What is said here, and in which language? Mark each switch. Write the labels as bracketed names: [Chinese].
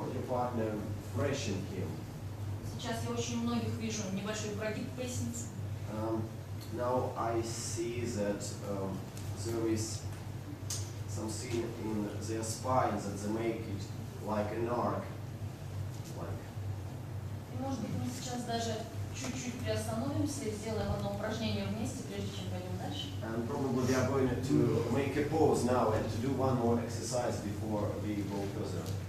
[Russian] Давлением поясницу партнера. Сейчас я очень многих вижу небольшой прогиб поясницы. [English] Now I see that there is something in their spine that they make it like an arc. Like. [Russian] И может быть мы сейчас даже чуть-чуть приостановимся и сделаем одно упражнение вместе, прежде чем пойдем дальше. [English] And probably we are going to make a pause now and to do one more exercise before we go further.